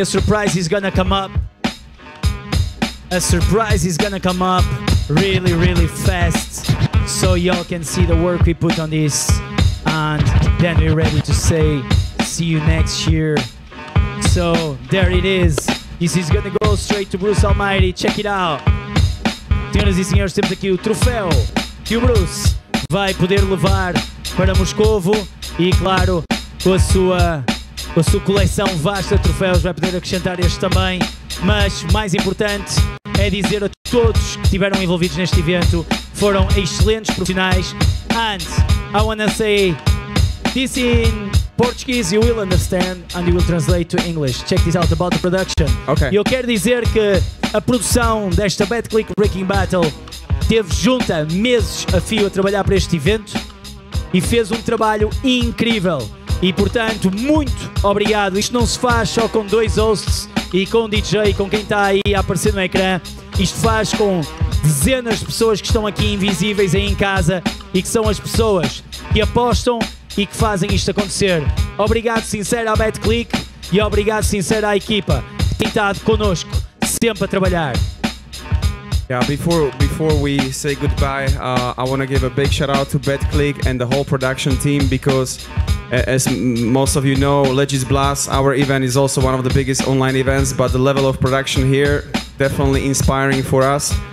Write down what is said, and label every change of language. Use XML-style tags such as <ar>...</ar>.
<en>A surprise is gonna come up. A surprise is gonna come up really, really fast. So y'all can see the work we put on this. And then we're ready to say, see you next year. So there it is. This is gonna go straight to Bruce Almighty. Check it out.</en> <pt>Senhoras e senhores, temos aqui o troféu que o Bruce vai poder levar para Moscovo. E claro, com a sua coleção vasta de troféus, vai poder acrescentar este também. Mas mais importante é dizer a todos que estiveram envolvidos neste evento, foram excelentes profissionais.</pt> <en>And I wanna say this in Portuguese, you will understand, and you will translate to English. Check this out about the production. Okay.</en> <pt>Eu quero dizer que a produção desta Betclic Breaking Battle teve junta meses a fio a trabalhar para este evento e fez um trabalho incrível. E portanto, muito obrigado. Isto não se faz só com dois hosts e com DJ, com quem está aí a aparecer no ecrã. Isto faz com dezenas de pessoas que estão aqui invisíveis aí em casa e que são as pessoas que apostam e que fazem isto acontecer. Obrigado sincero à Betclic e obrigado sincero à equipa que tem estado connosco sempre a trabalhar.</pt> <en>Yeah, before we say goodbye, I want to give a big shout out to Betclic and the whole production team, because as most of you know, Legis Blast, our event is also one of the biggest online events, but the level of production here definitely inspiring for us.</en>